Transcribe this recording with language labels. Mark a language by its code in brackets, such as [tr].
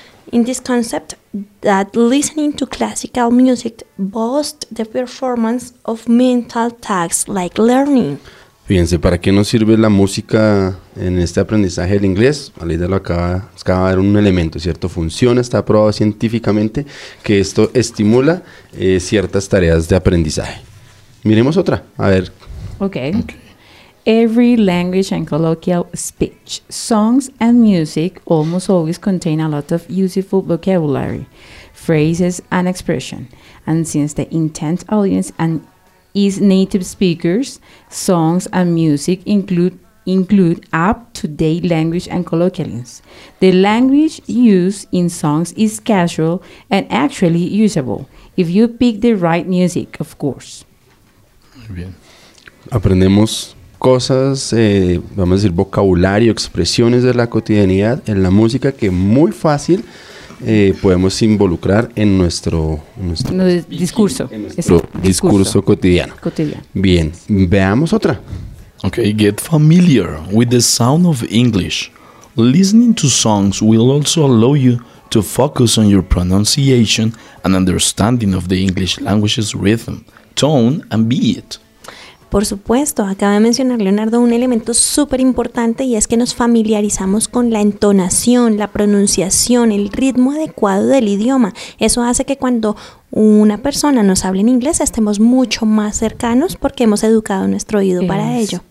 [en] This concept that listening to classical music boosts the performance of mental tasks like learning. [es] Fíjense, ¿para qué nos sirve la música en este aprendizaje del inglés? A Lidia lo acaba de dar un elemento, ¿cierto? Funciona, está probado científicamente que esto estimula ciertas tareas de aprendizaje. Miremos otra, a ver. [en] Okay. Every language and colloquial speech, songs and music almost always contain a lot of useful vocabulary, phrases and expression. And since the intent audience and is native speakers, songs and music include up-to-date language and colloquialisms. The language used in songs is casual and actually usable, if you pick the right music, of course. [es] Muy bien. Aprendemos cosas, vamos a decir, vocabulario, expresiones de la cotidianidad en la música que muy fácil podemos involucrar en nuestro discurso cotidiano. Bien, veamos otra. [en] Okay, get familiar with the sound of English. Listening to songs will also allow you to focus on your pronunciation and understanding of the English language's rhythm, tone and beat. [es] Por supuesto, acaba de mencionar Leonardo un elemento súper importante y es que nos familiarizamos con la entonación, la pronunciación, el ritmo adecuado del idioma. Eso hace que cuando una persona nos hable en inglés estemos mucho más cercanos porque hemos educado nuestro oído para ello.